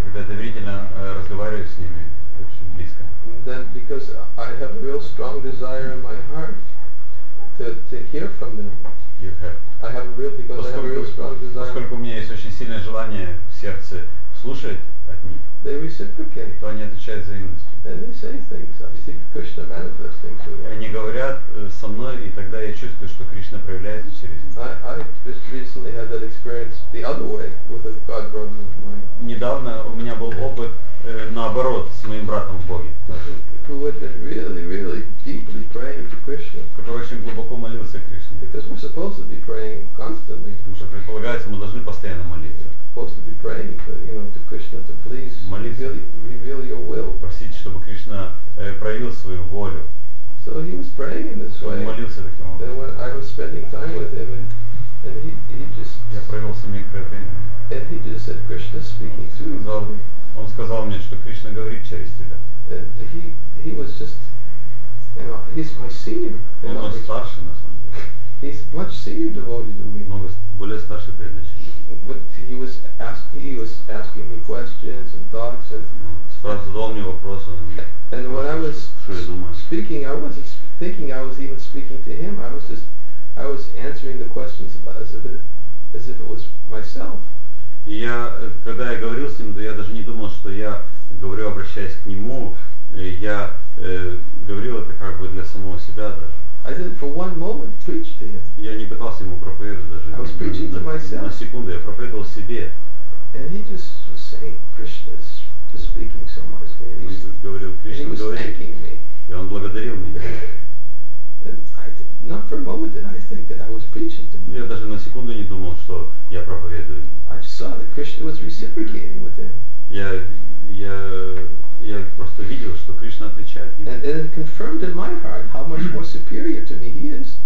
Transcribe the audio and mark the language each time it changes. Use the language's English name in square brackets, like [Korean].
[Russian] Когда доверительно разговариваю с ними, очень близко. [English] Then because I have a real strong desire in my heart to hear from them. You have. I have a real because [Russian] поскольку, [English] I have a real strong desire. [Russian] Поскольку у меня есть очень сильное желание в сердце слушать. [English] They reciprocate. [Russian] То они отвечают взаимностью. [English] And they say things. I see Krishna manifesting through them. [Russian] Они говорят со мной, и тогда я чувствую, что Кришна проявляется через них. [English] I just recently had that experience the other way with a god brother of mine. [Russian] Недавно у меня был опыт наоборот с моим братом в Боге. [English] Who had been really, really deeply praying to Krishna. [Russian] Который очень глубоко молился Кришне. [English] Because we're supposed to be praying constantly. [Russian] Потому что предполагается, мы должны постоянно молиться. [English] To be praying, you know, to Krishna, to please reveal your will. [Russian] Просить, чтобы Кришна проявил свою волю. [English] So he was praying in this way. [Russian] Он молился таким образом. [English] Then when I was spending time with him, and he just. [Russian] Я провел с ним некоторое время. [English] And he just said, Krishna speaking through me. [Russian] Он сказал мне, что Кришна говорит через тебя. [English] And he was just, you know, he's my senior. [Russian] Он мой старший на самом деле. [English] He's much senior devotee to me. [Russian] Много более старший преданный, чем я. [English] But he was asking me questions and thoughts and. [Russian] Спрашивал мне вопросы. [English] And when I was speaking, I wasn't thinking. I was even speaking to him. I was answering the questions as if it was myself. [Russian] Я когда я говорил с ним, то я даже не думал, что я говорю, обращаясь к нему. Я говорил это как бы для самого себя даже. [English] I didn't for one moment preach to him. [Russian] Я не пытался ему проповедовать даже. [English] I was preaching to myself. [Russian] На секунду я проповедовал себе. [English] And he just was saying, Krishna is just speaking so much. And he was [Russian] говорил, [English] and he was [Russian] говорит, [English] thanking me. [Russian] И он благодарил меня. [English] And not for a moment did I think that I was preaching to him. [Russian] Я даже на секунду не думал, что я проповедую. [English] I just saw that Krishna was reciprocating with him. [Russian] Я просто видел, что Кришна отвечает ему. [English] And it confirmed in my heart how much more superior to me he is.